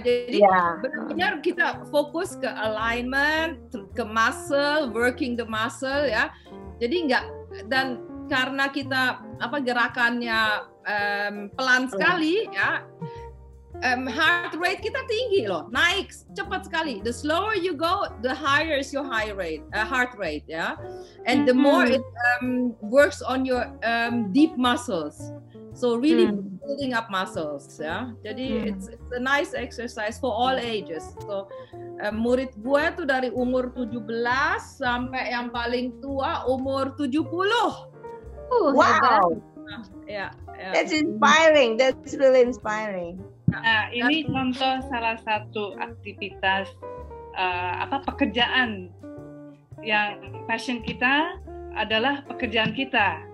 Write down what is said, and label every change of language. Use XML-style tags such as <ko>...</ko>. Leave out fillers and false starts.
<id>Jadi ya, benar-benar kita fokus ke alignment, ke muscle,</id> <en>working the muscle</en> <id>ya. Jadi nggak, dan karena kita gerakannya pelan sekali ya, heart rate kita tinggi loh, naik cepat sekali.</id> <en>The slower you go, the higher is your high rate, heart rate, ya. Yeah? And the more it works on your deep muscles. So really building up muscles, ya. Yeah? Jadi it's a nice exercise for all ages.</en> <id>So murid gue tuh dari umur 17 sampai yang paling tua umur 70.</id> <en>Wow. Yeah. That's inspiring. That's really inspiring.</en> <id>Nah, ini contoh salah satu aktivitas pekerjaan yang passion kita adalah pekerjaan kita.</id>